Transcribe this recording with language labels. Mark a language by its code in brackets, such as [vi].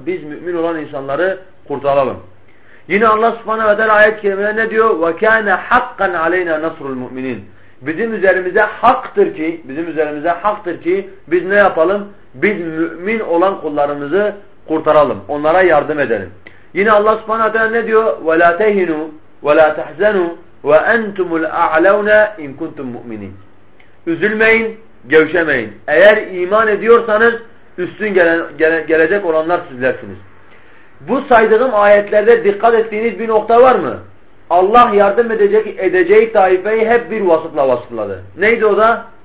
[tr] Biz mümin olan insanları kurtaralım. Yine Allah subhanehu ve teala ayet-i kerimede ne diyor? [ar] وَكَانَ حَقَّنْ عَلَيْنَا نَصْرُ الْمُؤْمِنِينَ [tr] Bizim üzerimize haktır ki biz ne yapalım? Biz mümin olan kullarımızı kurtaralım. Onlara yardım edelim. Yine Allah subhanehu ve teala ne diyor? [ar] وَلَا تَهِنُوا وَلَا تَحْزَنُوا وَاَنْتُمُ الْاَعْلَوْنَا اِنْ كُنْتُمْ مُؤْمِنِينَ [tr] Üzülmeyin, gevşemeyin. Eğer iman ediyorsanız üstün gelecek olanlar sizlersiniz. Bu saydığım ayetlerde dikkat ettiğiniz bir nokta var mı? Allah yardım edeceği taifeyi hep bir vasıfla vasıfladı. Neydi o da?